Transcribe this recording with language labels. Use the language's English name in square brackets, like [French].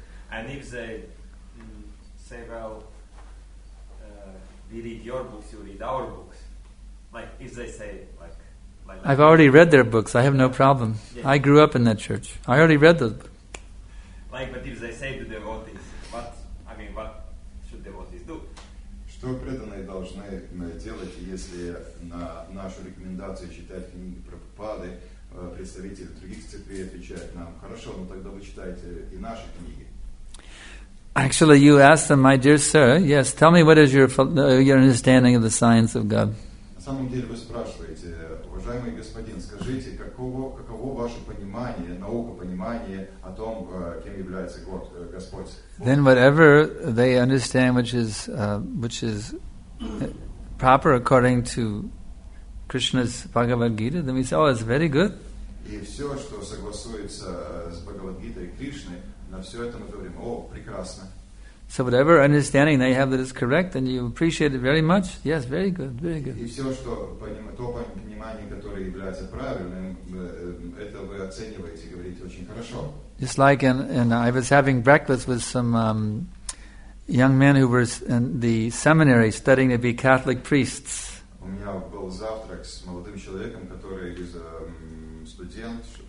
[English] And if they say, well, we read your books, you read our books. Like, if they say, like I've already read their books, I have no problem. Yeah. I grew up in that church. I already read those books. Like, but if they say to devotees, what should devotees do? [Russian] Что преданные должны делать, если на нашу рекомендацию читать книги Прабхупады, представители других церквей отвечают нам, хорошо, но тогда вы читайте и наши книги. [English] Actually, you asked them, my dear sir, yes, tell me what is your understanding of the science of God. [Russian] На самом деле вы спрашиваете, уважаемый господин, скажите, каково ваше понимание, наука понимание о том, кем является Господь? [English] Then whatever they understand which is proper according to Krishna's Bhagavad Gita, then we say, oh, it's very good. [Russian] И все, что согласуется с Бхагавад-гитой Кришны, на все это мы говорим, о, прекрасно. [English] So whatever understanding they have that is correct, then you appreciate it very much. Yes, very good, very good. [Russian] И все, что то понимание, которое является правильным, это вы оцениваете, говорите очень хорошо. [English] It's like I was having breakfast with some young men who were in the seminary studying to be Catholic priests. [Russian] У меня был завтрак с молодым человеком, который из студент.